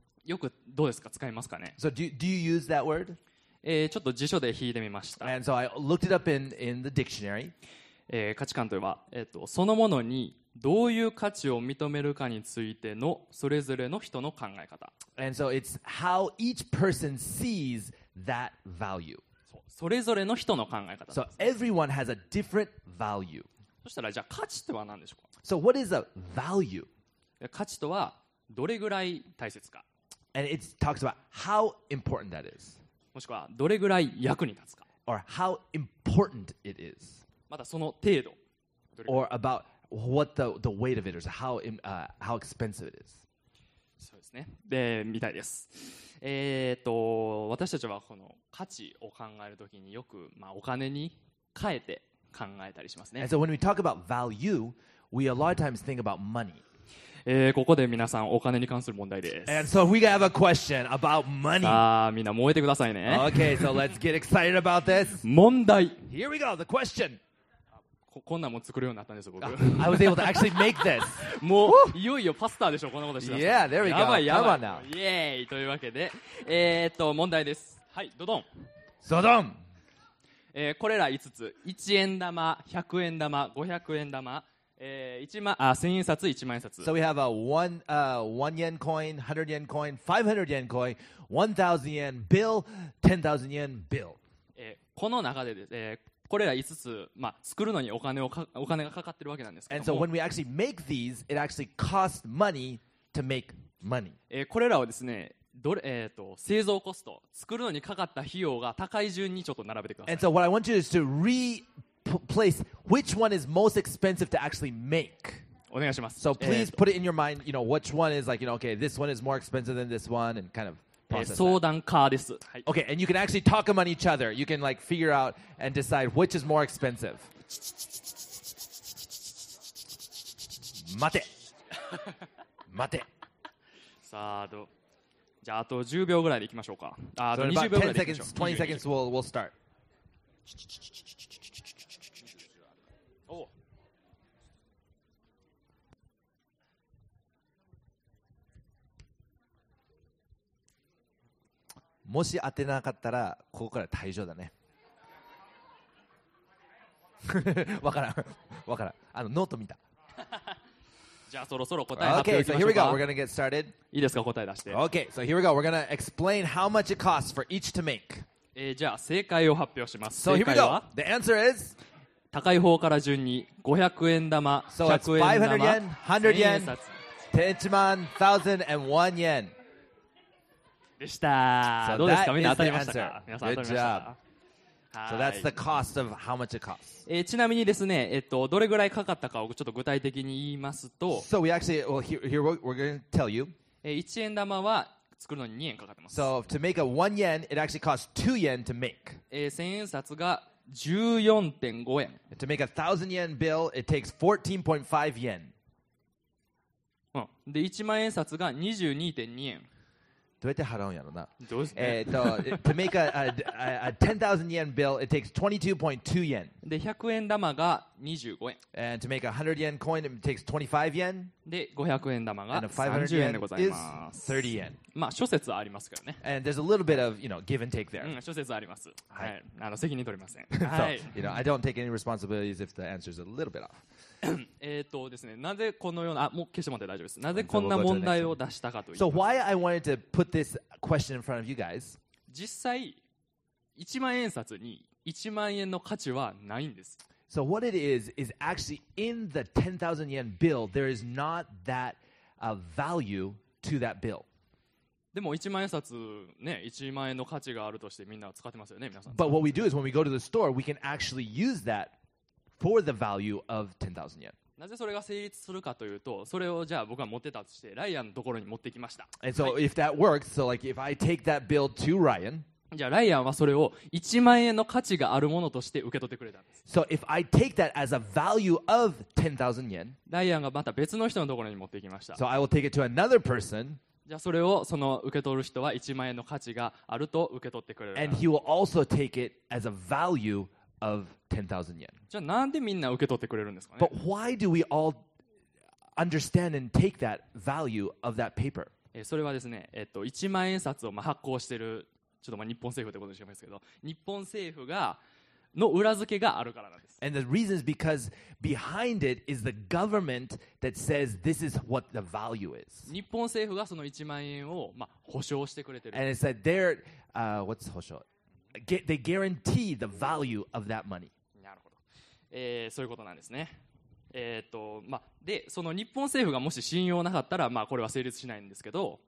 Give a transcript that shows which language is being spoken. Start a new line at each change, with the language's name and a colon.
Japanese: よくどうですか使いますかね
English: So do you use that word?
Japanese: ちょっと辞書で引いてみました
English: And so I looked it up in the dictionary
Japanese: 価値観といえば、そのものにどういう価値を認めるかについてのそれぞれの人の考え方
English: And so it's how each person seesThat value.
Japanese: そう、それぞれの人の考え方です。
English: So everyone has a different value.
Japanese: そしたらじゃあ価値とは何でしょうか。
English: So what is a value?
Japanese: 価値とはどれぐらい大切か。
English: And it talks about how important that is.
Japanese: もしくはどれぐらい役に立つか。
English: Or how important it is.
Japanese: またその程度。
English: Or about what the weight of it is, how expensive it is.
Japanese: そうですね。で、みたいです。私たちはこの価値を考えるときによく、まあ、お金に変えて考えたりしますね。
English: And so when we talk about value, we a lot of times think about money.
Japanese: ここで皆さんお金に関する問題です。
English: And so we have a question about money.
Japanese: さあ、みんな燃えてくださいね。
English: Okay, so let's get excited about this.
Japanese: 問題。
English: Here we go, the question.
Japanese: こんなんも作るようになったんですよ僕。
English: I was able to actually make this.
Japanese: もう、いよいよパスタでしょ、こんなことしてた。
English: Yeah, there we go.
Japanese: やばいやばい。
English: Come on now.
Japanese: イエーイ。というわけで、問題です。はい、ドドン。ドドン。これら5つ、1円玉、100円玉、500円玉、1000円札、1万円札。
English: So we have a 1 yen coin, 100 yen coin, 500 yen coin, 1000 yen bill, 10,000 yen bill.
Japanese: この中でですね、これら5つ、まあ、作るのにお金がかかってるわけなんですけども
English: And so when we actually make these, it actually costs money to make money.
Japanese: これらをですね、製造コスト、作るのにかかった費用が高い順にちょっと並べてください。
English: And so what I want you is to replace which one is most expensive to actually make.
Japanese: お願いします。
English: So please put it in your mind, you know, which one is like, you know, okay, this one is more expensive than this one, and kind of.
Japanese: 相談カーです。
English: Okay, and you can actually talk among each other. You can like figure out and decide which is more expensive.
Japanese: 待て。待て。さあ、どう。じゃあ、あと10秒ぐらいでいきましょうか。あと 20秒ぐらいでいきましょう。
English: 20 seconds, we'll start.
Japanese: おもし当てなかったらここから退場だね。わからん、わからん。あのノート見た。じゃあそろそろ答え発表しましょうか。
English: Okay, so here we go. We're gonna get started.
Japanese: いいですか、答え出して。
English: Okay, so here we go. We're gonna explain how much it costs for each to make.
Japanese: じゃあ正解を発表します。
English: So here we go. The answer is
Japanese: 高い方から順に500円玉、
English: So it's 500 yen, 100 yen, 10万、1000 and 1 yen.
Japanese: でした。どうですか、みんな当たりましたか。皆さん当たりました。
English: So that's the cost of how much it costs.
Japanese: ちなみにですね、どれぐらいかかったかをちょっと具体的に言いますと、
English: So we actually, well, here we're going to tell you.
Japanese: 1円玉は作るのに2円かかってます。
English: So to make a 1 yen, it actually costs 2 yen to make.
Japanese: 1000円札が 14.5 円。
English: To make a 1000 yen bill, it takes 14.5 yen.
Japanese: で、1万円札が 22.2 円。どうやって払うんやろな。どうすね。
English: to make a 10,000 yen bill, it takes 22.2 yen.
Japanese: で、100円玉が25円。
English: And to make a 100 yen coin, it takes 25 yen.
Japanese: で、500円玉が30円でございます。
English: 30 yen.
Japanese: まあ、諸説ありますからね。
English: And there's a little bit of, you know, give and take there.
Japanese: うん、諸説あります。はい。はい、責任取りません。
English: So, you know, I don't take any responsibilities if the answer is a little bit off.
Japanese: ですね、なぜこのようなあもう消してもらって大丈夫です。なぜこんな問題を出したかというと、
English: So why I wanted to put this question in front of you guys?
Japanese: 実際1万円札に 1万円の価値はないんです。
English: So what it is actually in the 10,000 yen bill, there is not that value to that bill.
Japanese: でも1万円札ね、1万円の価値があるとしてみんな使ってますよね、皆さん。
English: But what we do is when we go to the store, we can actually use that for the value of 10,000 yen.
Japanese: なぜそれが成立するかというと、それをじゃあ僕は持ってたとして、ライアンのところに持ってきました。
English: And so if that works, so like if I take that bill to Ryan,
Japanese: じゃあライアンはそれを1万円の価値があるものとして受け取ってくれたんです。
English: So if I take that as a value of 10,000 yen,
Japanese: ライアンがまた別の人のところに持ってきました。
English: So I will take it to another person,
Japanese: じゃあそれをその受け取る人は1万円の価値があると受け取ってくれる。
English: And he will also take it as a value of 10,000 yen.
Japanese: じゃあなんでみんな受け取ってくれるんですかね?
English: But why do we all understand and take that value of that paper?
Japanese: それはですね、1万円札をまあ発行してる、ちょっとまあ日本政府ってことにしますけど、日本政府がの裏付けがあるからなんです。
English: And the reason is because behind it is the government that says this is what the value is.
Japanese: 日本政府がその1万円をまあ保証してくれてる。
English: And it's that they're, what's 保証? They guarantee the value of that money.
Japanese: なるほど、そういうことなんですね。まあ、で、その日本政府がもし信用なかったら、まあ、これは成立しないんですけど。